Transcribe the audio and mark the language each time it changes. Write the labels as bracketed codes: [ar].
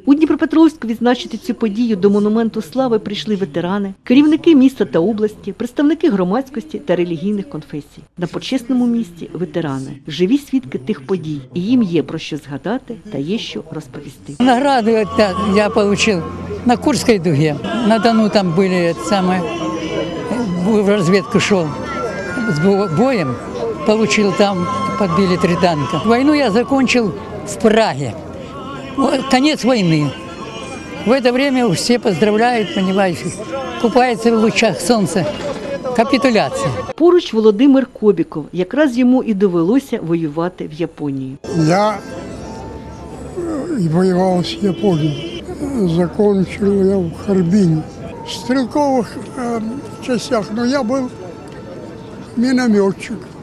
[uk] У Дніпропетровську відзначити цю подію до монументу слави прийшли ветерани, керівники міста та області, представники громадськості та релігійних конфесій. На почесному місці – ветерани, живі свідки тих подій, і їм є про що згадати та є що розповісти. Награду я отримав на Курській дузі, на Дону там були, в розвідку йшов. [ru] С боем получил там, подбили 3 танка. Войну я закончил в Праге. Конец войны. В это время все поздравляют, понимаете, купаются в лучах солнца. [uk] Капітуляція. Поруч Володимир Кобіков. Якраз йому і довелося воювати в Японії. Я воював в Японії. Закончив я в Харбіні. В стрілкових частях, але я був мінометчик.